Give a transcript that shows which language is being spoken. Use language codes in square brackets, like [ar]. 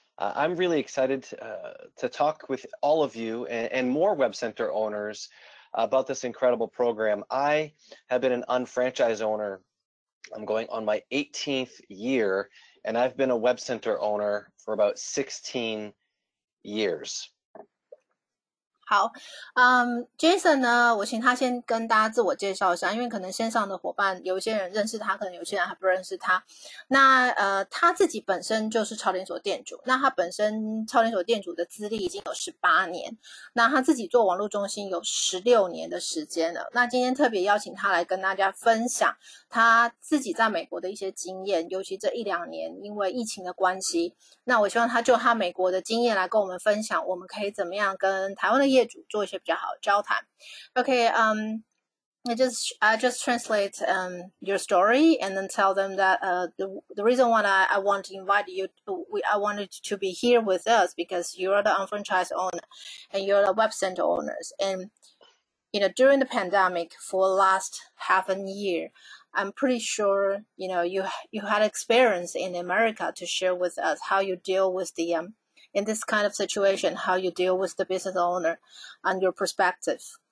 [en] I'm really excited to talk with all of you and more web center owners about this incredible program. I have been an unfranchised owner. I'm going on my 18th year, and I've been a web center owner for about 16 years. [zh] 好，Jason 呢，我请他先跟大家自我介绍一下，因为可能线上的伙伴有些人认识他，可能有些人还不认识他。那他自己本身就是超连锁店主，那他本身超连锁店主的资历已经有18年，那他自己做网络中心有16年的时间了。那今天特别邀请他来跟大家分享他自己在美国的一些经验，尤其这一两年因为疫情的关系，那我希望他就他美国的经验来跟我们分享，我们可以怎么样跟台湾的业主做一些比较好的交谈。 [en] Okay, I just translate your story and then tell them that the reason why I wanted to be here with us because you're the unfranchised owner and you're the web center owners. And you know, during the pandemic for last half a year, I'm pretty sure you know you had experience in America to share with us how you deal with the in this kind of situation, how you deal with the business owner and your perspective.